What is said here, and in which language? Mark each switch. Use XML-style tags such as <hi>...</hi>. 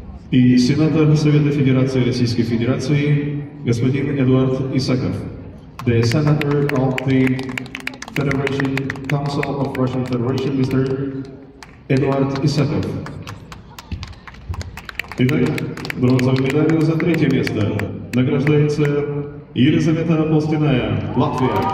<ru>И сенатор Совета Федерации Российской Федерации, господин Эдуард Исаков.</ru> <en>The senator of the Federation Council of Russian Federation, Mr.</en> <ru>Эдуард Исаков. Итак, бронзовой медалью за третье место награждается Елизавета Полстяная, Латвия.</ru>